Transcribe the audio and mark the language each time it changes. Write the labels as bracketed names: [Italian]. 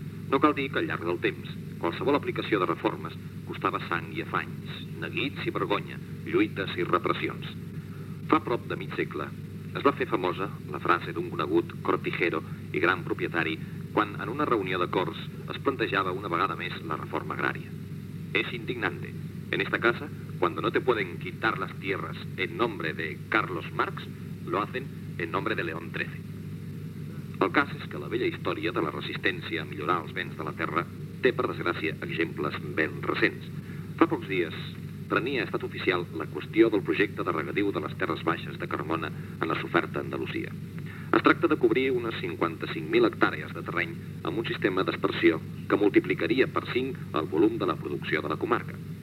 [Catalan] No cal dir que al llarg del temps qualsevol aplicació de reformes costava sang i afanys, neguits i vergonya, lluites i repressions. Fa prop de mig segle es va fer famosa la frase d'un conegut cortijero i gran propietari quan en una reunió de corts es plantejava una vegada més la reforma agrària. [Spanish] Es indignante. En esta casa, cuando no te pueden quitar las tierras en nombre de Carlos Marx, lo hacen en nombre de León XIII. [Catalan] El cas és que la vella història de la resistència a millorar els béns de la terra té, per desgràcia, exemples ben recents. Fa pocs dies prenia estat oficial la qüestió del projecte de regadiu de les Terres Baixes de Carmona en la Soferta Andalusia. Es tracta de cobrir unes 55.000 hectàrees de terreny amb un sistema d'aspersió que multiplicaria per 5 el volum de la producció de la comarca.